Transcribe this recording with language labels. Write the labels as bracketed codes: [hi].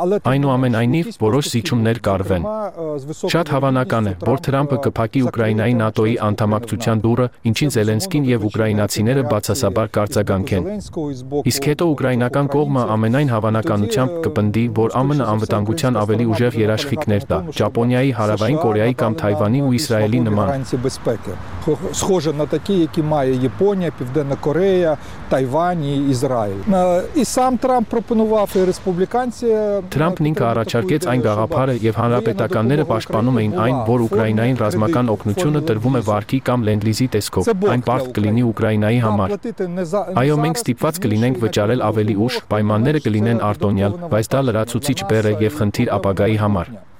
[hy] Այնուամենայնիվ, որոշ զիջումներ կարվեն։ Շատ հավանական է, որ Թրամփը կփակի Ուկրաինայի ՆԱՏՕ-ի անդամակցության դուռը, ինչին Զելենսկին և ուկրաինացիները բացասաբար կարձագանք են։ Իսկ հետո ուկրաինական կողմը ամենայն հավանականությամբ կպնդի, որ ԱՄՆ-ը անվտանգության ավելի ուժեղ երաշխիքներ տա՝ Ճապոնիայի, Հարավային Կորեայի կամ Թայվանի ու Իսրայելի նման։ [uk] Схоже на такі, які має Японія, Південна Корея, Тайвань і Ізраїль. І сам Трамп пропонував і республіканці [hy] Трамп ինքը առաջարկեց այն գաղափարը, եւ հանրապետականները պաշտպանում էին այն, որ Ուկրաինային ռազմական օգնությունը տրվում է վարկի կամ լենդլիզի տեսքով։ Այն պարտք կլինի Ուկրաինայի համար։ Այո, մենք ստիպված կլինենք վճարել ավելի ուշ, պայմանները կլինեն արտոնյալ, բայց դա լրացուցիչ բեռ է եւ խնդիր ապագայի համար։